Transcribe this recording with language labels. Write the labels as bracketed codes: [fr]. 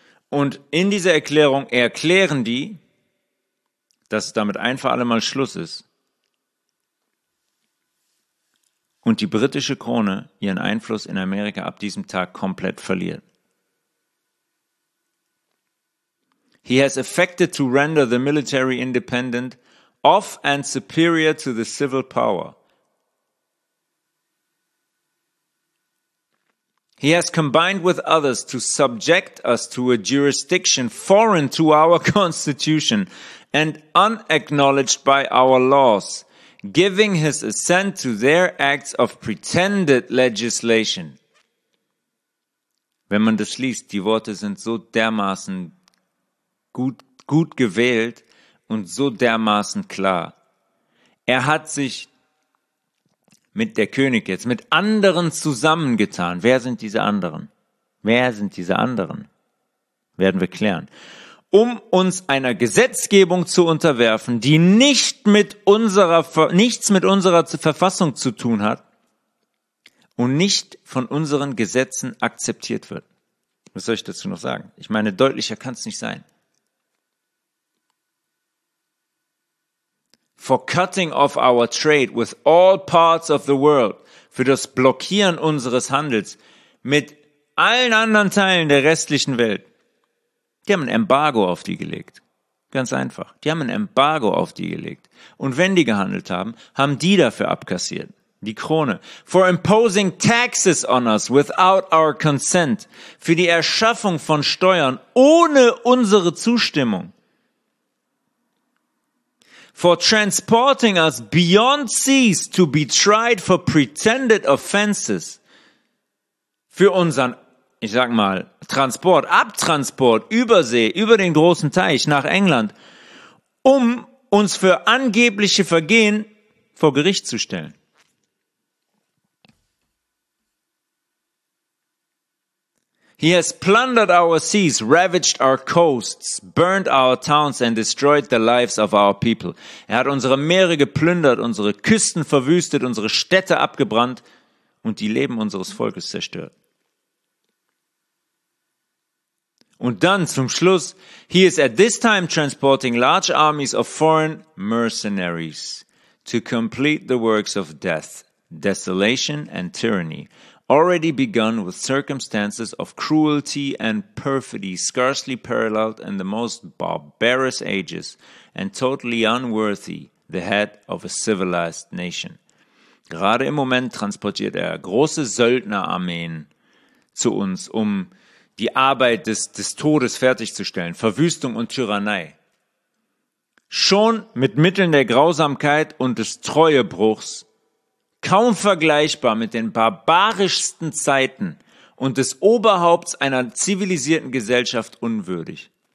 [de] Und in dieser Erklärung erklären die, dass damit ein für alle Mal Schluss ist und die britische Krone ihren Einfluss in Amerika ab diesem Tag komplett verliert. [en] He has affected to render the military independent of and superior to the civil power. He has combined with others to subject us to a jurisdiction foreign to our constitution and unacknowledged by our laws, giving his assent to their acts of pretended legislation. [de] Wenn man das liest, die Worte sind so dermaßen gut gewählt und so dermaßen klar. Er hat sich mit der König jetzt, mit anderen zusammengetan. Wer sind diese anderen? Wer sind diese anderen? Werden wir klären. Um uns einer Gesetzgebung zu unterwerfen, die nichts mit unserer Verfassung zu tun hat und nicht von unseren Gesetzen akzeptiert wird. Was soll ich dazu noch sagen? Ich meine, deutlicher kann es nicht sein. [en] For cutting off our trade with all parts of the world, [de] für das Blockieren unseres Handels mit allen anderen Teilen der restlichen Welt. Die haben ein Embargo auf die gelegt. Ganz einfach. Die haben ein Embargo auf die gelegt. Und wenn die gehandelt haben, haben die dafür abkassiert. Die Krone. [en] For imposing taxes on us without our consent. [de] Für die Erschaffung von Steuern ohne unsere Zustimmung. [en] For transporting us beyond seas to be tried for pretended offenses. [de] Für unseren, ich sag mal, Transport, Abtransport, Übersee, über den großen Teich nach England, um uns für angebliche Vergehen vor Gericht zu stellen. [en] He has plundered our seas, ravaged our coasts, burned our towns and destroyed the lives of our people. [de] Er hat unsere Meere geplündert, unsere Küsten verwüstet, unsere Städte abgebrannt und die Leben unseres Volkes zerstört. Und dann zum Schluss, [en] he is at this time transporting large armies of foreign mercenaries to complete the works of death, desolation and tyranny, already begun with circumstances of cruelty and perfidy scarcely paralleled in the most barbarous ages and totally unworthy the head of a civilized nation. [de] Gerade im Moment transportiert er große Söldnerarmeen zu uns, um die Arbeit des Todes fertigzustellen, Verwüstung und Tyrannei. Schon mit Mitteln der Grausamkeit und des Treuebruchs, kaum vergleichbar mit den barbarischsten Zeiten und des Oberhaupts einer zivilisierten Gesellschaft unwürdig.